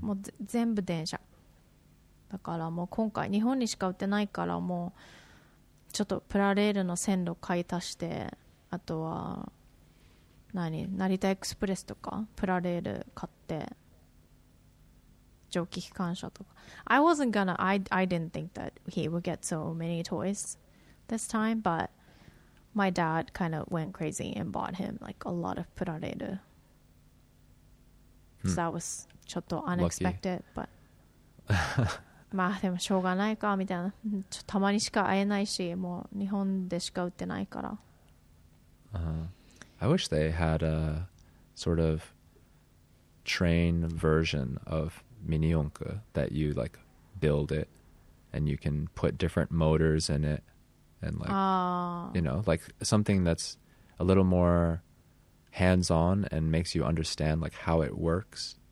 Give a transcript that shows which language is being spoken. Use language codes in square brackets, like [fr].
[ja] もう全部電車だから、もう今回日本にしか売ってないから、もうちょっとプラレールの線路買い足して、あとは何、成田エクスプレスとかプラレール買って、蒸気機関車とか。 [en] I wasn't gonna I didn't think that he would get so many toys this time, but my dad kind of went crazy and bought him like a lot of プラレール、hmm. so that was ちょっと unexpected、 Lucky. [ja] but まあでもしょうがないかみたいな、ちょたまにしか会えないし、もう日本でしか売ってないから、 [en] uh-huh. I wish they had a sort of train version of Mini Yonka that you like build it and you can put different motors in it and like, you know, like something that's a little more hands-on and makes you understand like how it works.